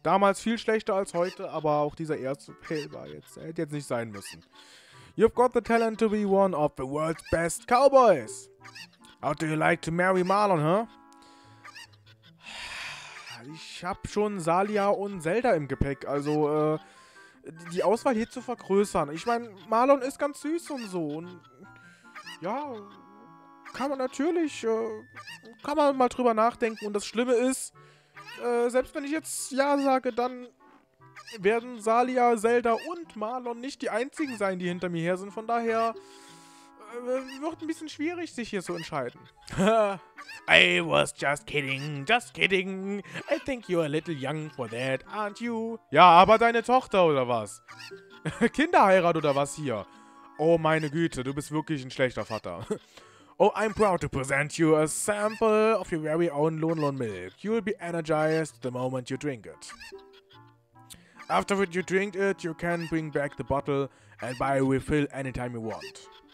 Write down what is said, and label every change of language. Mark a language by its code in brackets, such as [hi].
[de] Damals viel schlechter als heute, aber auch dieser erste Pill war jetzt. Er hätte jetzt nicht sein müssen. [en] You've got the talent to be one of the world's best cowboys. How do you like to marry Marlon, huh? [de] Ich hab schon Salia und Zelda im Gepäck, also die Auswahl hier zu vergrößern. Ich meine, Marlon ist ganz süß und so. Und, ja, kann man natürlich, kann man mal drüber nachdenken. Und das Schlimme ist, selbst wenn ich jetzt ja sage, dann werden Salia, Zelda und Marlon nicht die einzigen sein, die hinter mir her sind. Von daher wird ein bisschen schwierig, sich hier zu entscheiden. [en] I was just kidding, just kidding. I think you're a little young for that, aren't you? [de] Ja, aber deine Tochter oder was? Kinderheirat oder was hier? Oh meine Güte, du bist wirklich ein schlechter Vater. [en] Oh, I'm proud to present you a sample of your very own Lon Lon Milk. You'll be energized the moment you drink it. After you drink it, you can bring back the bottle and buy a refill anytime you want.